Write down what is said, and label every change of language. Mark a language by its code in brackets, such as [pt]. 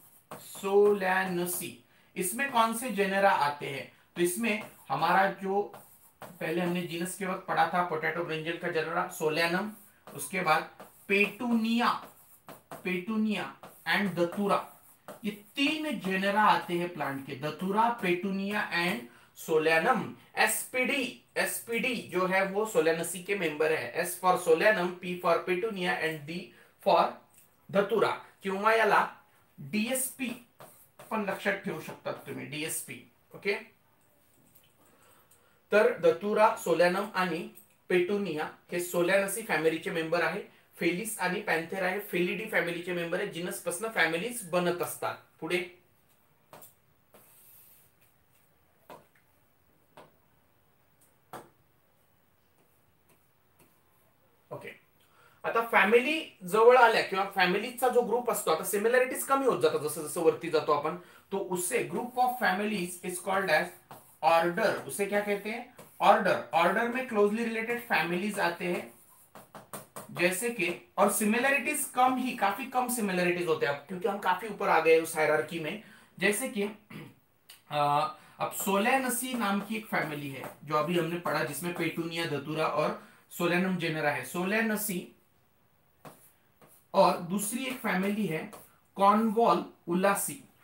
[hi] सोलानसी इसमें कौन से जेनेरा आते हैं, तो इसमें हमारा जो पहले हमने जीनस के वक्त पढ़ा था पोटैटो ब्रिंजल का जेनेरा सोलानम, उसके बाद पेटूनिया, पेटूनिया एंड दतुरा, ये तीन जेनेरा आते हैं प्लांट के, दतुरा petunia and solanum. SPD, SPD जो है वो सोलानसी के मेंबर है, S for solanum, P for petunia and D for दतुरा, [mr] किंवा याला डीएसपी पण लक्षात ठेवू शकता तुम्ही, [hi] डीएसपी, ओके। [mr] तर दतुरा सोलानम आणि पेटूनिया हे सोलानसी फॅमिलीचे मेंबर आहे, फेलिस आणि पॅन्थेरा हे फेलिडी फॅमिलीचे मेंबर आहे, जिनस पासून फॅमिलीज बनत असतात। पुढे ओके, आता फॅमिली जवळ आल्या किंवा फॅमिलीचा जो ग्रुप असतो आता सिमिलॅरिटीज कमी होत जातात जसं जसं वरती जातो आपण, [en] तो उसे group of families is called as order. [hi] उसे क्या कहते हैं ऑर्डर, ऑर्डर में क्लोजली रिलेटेड फैमिलीज आते हैं जैसे कि, और सिमिलैरिटीज कम ही, काफी कम सिमिलैरिटीज होते हैं क्योंकि हम काफी ऊपर आ गए उस हायरार्की में। जैसे कि अब सोलानसी नाम की एक फैमिली है जो अभी हमने पढ़ा, जिसमें पेटूनिया दतुरा और सोलानम जेनरा है, सोलानसी, और दूसरी एक फैमिली है कॉर्नवॉल उलासी।